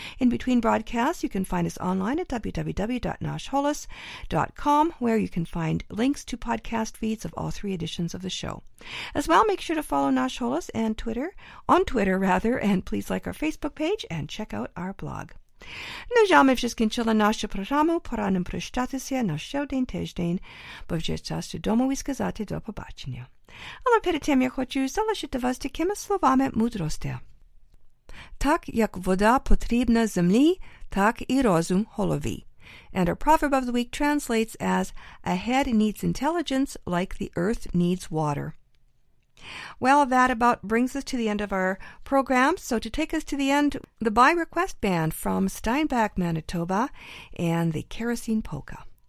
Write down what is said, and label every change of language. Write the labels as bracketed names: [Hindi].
[English] In between broadcasts, you can find us online at www.nashholos.com, where you can find links to podcast feeds of all three editions of the show. As well, make sure to follow Nash Holos and Twitter on Twitter, rather, and please like our Facebook page and check out our blog. [Ukrainian] На жаль, ми скінчили нашу програму. Пора нам прощатися на ще один тиждень, бо вже час додому і сказати до побачення. Але перед тим я хочу залишити вас такими словами мудрості. Так, як вода потрібна землі, так і розум голові. [English] And our proverb of the week translates as, a head needs intelligence like the earth needs water. Well, that about brings us to the end of our program. So to take us to the end, the By Request Band from Steinbach, Manitoba, and the Kerosene Polka.